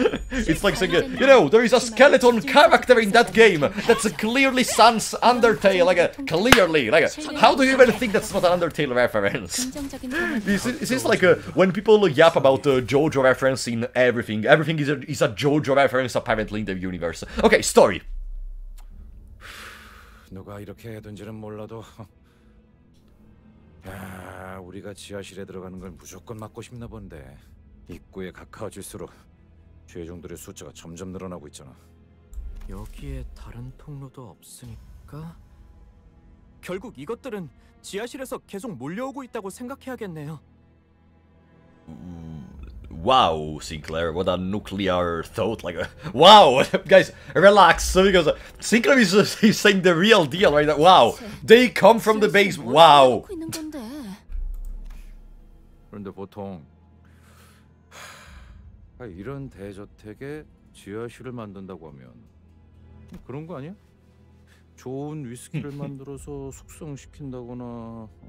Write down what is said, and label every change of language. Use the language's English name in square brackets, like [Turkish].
[English] It's like saying, you know, there is a skeleton character in that game that's clearly sans Undertale, like a clearly, like a, how do you even think that's not an Undertale reference? Is this like when people yap about the JoJo reference in everything is a JoJo reference apparently in the universe. Okay, story. [Korean] 누가 이렇게 해둔지는 몰라도 야 우리가 지하실에 들어가는 걸 무조건 막고 싶나 본데 입구에 가까워질수록 죄종들의 숫자가 점점 늘어나고 있잖아 여기에 다른 통로도 없으니까 결국 이것들은 지하실에서 계속 몰려오고 있다고 생각해야겠네요 [English] Wow, Sinclair, what a nuclear thought, like, wow, guys, relax, because Sinclair is he's saying the real deal right now, wow, they come from the base, wow. [Korean] 그런데 보통, 이런 대저택에 지하실을 만든다고 하면, 그런 거 아니야? 좋은 위스키를 만들어서 숙성시킨다거나,